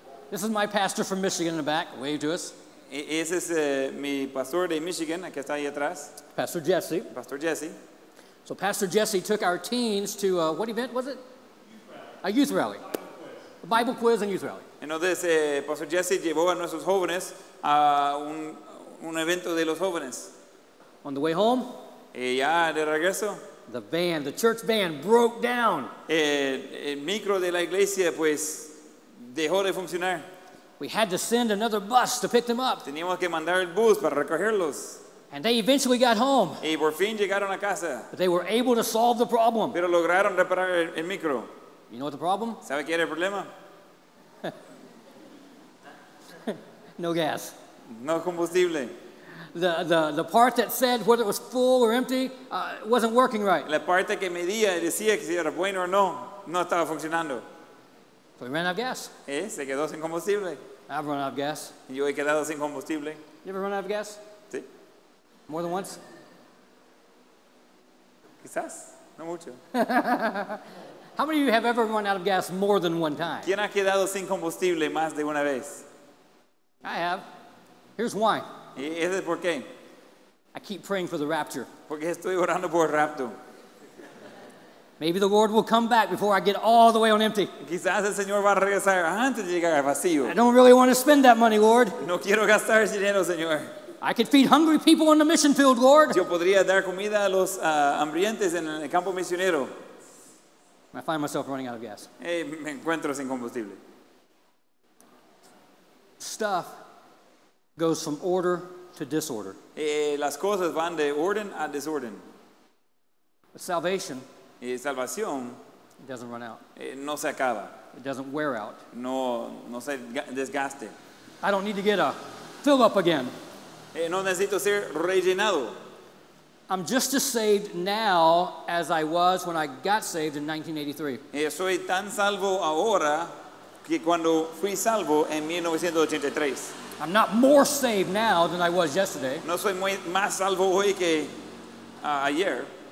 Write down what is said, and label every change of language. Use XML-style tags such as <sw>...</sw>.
<en>This is my pastor from Michigan in the back. Wave to us.</en> <es>Ese es mi pastor de Michigan, que está ahí atrás.</es> <en>Pastor Jesse. Pastor Jesse. So Pastor Jesse took our teens to, what event was it? Youth rally. A youth rally. A Bible quiz and youth rally.</en> <es>Entonces, Pastor Jesse llevó a nuestros jóvenes a un evento de los jóvenes.</es> <en>On the way home.</en> <es>Y ya de regreso.</es> <en>The van, the church van, broke down.</en> <es>El micro de la iglesia, pues, dejó de funcionar.</es> <en>We had to send another bus to pick them up.</en> <es>Teníamos que mandar el bus para recogerlos.</es> <en>And they eventually got home.</en> <es>Y por fin llegaron a casa.</es> <en>But they were able to solve the problem.</en> <es>Pero lograron reparar el micro.</es> <en>You know what the problem?</en> <es>¿Sabe qué era el problema?</es> <en>No gas.</en> <es>No combustible.</es> <en>The part that said whether it was full or empty wasn't working right.</en> <es>La parte que medía y decía que si era bueno o no estaba funcionando.</es> <en>So we ran out of gas.</en> <es>Se quedó sin combustible.</es> <en>I've run out of gas.</en> <es>Yo he quedado sin combustible.</es> <en>You ever run out of gas?</en> <es>Sí.</es> <en>More than once?</en> <es>Quizás, no mucho.</es> <en>How many of you have ever run out of gas more than one time?</en> <es>¿Quién ha quedado sin combustible más de una vez?</es> <en>I have. Here's why.</en> <es>¿Y ese por qué?</es> <en>I keep praying for the rapture.</en> <es>Porque estoy orando por el rapto.</es> <en>Maybe the Lord will come back before I get all the way on empty.</en> <es>Quizás el Señor va a regresar antes de llegar vacío.</es> <en>I don't really want to spend that money, Lord.</en> <es>No quiero gastar ese dinero, Señor.</es> <en>I could feed hungry people on the mission field, Lord.</en> <es>Yo podría dar comida a los hambrientes en el campo misionero.</es> <en>I find myself running out of gas.</en> <es>Me encuentro sin combustible.</es> <en>Stuff goes from order to disorder.</en> <es>Las cosas van de orden a desorden.</es> <en>But salvation.</en> <es>Salvación.</es> <en>It doesn't run out.</en> <es>No se acaba.</es> <en>It doesn't wear out.</en> <es>No se desgaste.</es> <en>I don't need to get a fill up again.</en> <es>No necesito ser rellenado.</es> <en>I'm just as saved now as I was when I got saved in 1983.</en> <es>Soy tan salvo ahora que cuando fui salvo en 1983.</es> <en>I'm not more saved now than I was yesterday.</en> <es>No soy muy, más salvo hoy que ayer.</es>